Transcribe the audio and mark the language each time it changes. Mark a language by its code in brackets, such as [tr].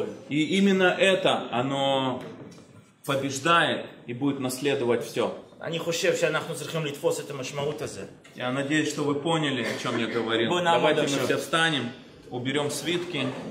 [ru] И именно это, оно побеждает и будет наследовать все. [he] אני חושב שאנחנו צריכים לתפוס את המשמעות הזה. [ru] Я надеюсь, что вы поняли, о чем я говорил. Давайте мы все встанем, уберем свитки.